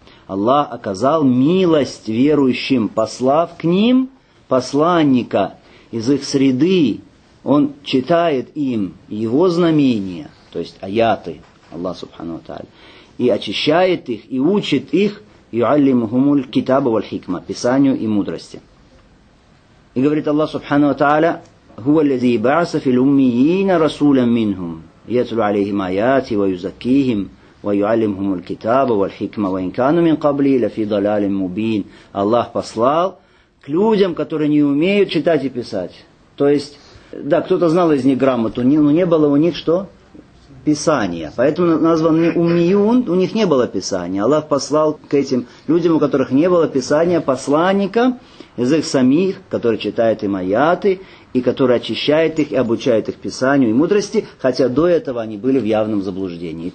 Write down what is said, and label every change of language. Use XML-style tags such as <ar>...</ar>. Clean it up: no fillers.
<ru>Аллах оказал милость верующим, послав к ним посланника из их среды. Он читает им его знамения, то есть аяты Аллах Субхану ва Тааля, и очищает их, и учит их</ru> <ar>يُعَلِّمُهُمُ الْكِتَابَ وَالْحِكْمَةَ,</ar> <ru>писанию и мудрости. И говорит Аллах Субхану ва Тааля:</ru> <ar>هُوَ الَّذِي بَعَثَ فِي الْأُمِّيِّينَ رَسُولًا مِّنْهُمْ يَتْلُ عَلَيْهِمْ آيَاتِ وَيُزَكِّيهِمْ وَيُعَلِّمْهُمُ الْكِتَابَ وَالْحِكْمَةَ وَإِنْ كَانُوا مِنْ قَبْلِهِ لَفِي ضَلَالٍ مُبِينٍ.</ar> <ru>Аллах послал к людям, которые не умеют читать и писать. То есть, да, кто-то знал из них грамоту, но не было у них что? Писания. Поэтому названы уммиюн, у них не было писания. Аллах послал к этим людям, у которых не было писания, посланника из их самих, который читает им аяты, и который очищает их и обучает их писанию и мудрости, хотя до этого они были в явном заблуждении.</ru>